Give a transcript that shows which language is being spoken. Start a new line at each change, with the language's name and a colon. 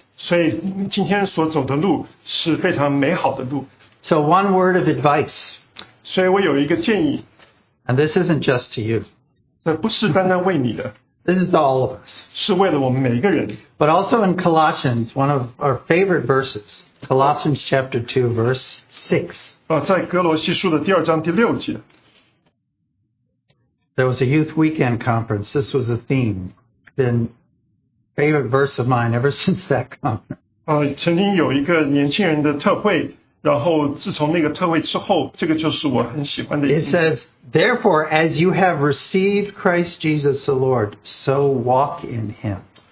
English: So one word of advice. And this isn't just to you. This is all of us.
Chinese: 是为了我们每一个人.
English: But also in Colossians, one of our favorite verses, Colossians chapter 2, verse 6.
Chinese: 在格罗西书的第二章第六节.
English: There was a youth weekend conference. This was a theme. Been a favorite verse of mine ever since that conference.
Chinese: 曾经有一个年轻人的特会, 然后自从那个特会之后，这个就是我很喜欢的。
English: It says, therefore, as you have received Christ Jesus the Lord, so walk in him.